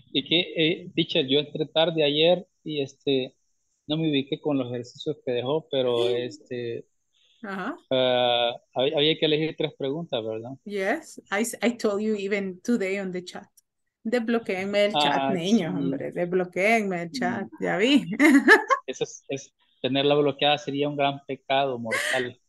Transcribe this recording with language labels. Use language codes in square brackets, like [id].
[es] Y que, teacher, yo entré tarde ayer y no me ubiqué con los ejercicios que dejó, pero había que elegir tres preguntas, ¿verdad? [en] Yes, I told you even today on the chat. [es] Desbloquéenme el chat, niño, sí. Hombre, desbloquéenme el chat, ya vi. Eso es tenerla bloqueada sería un gran pecado mortal.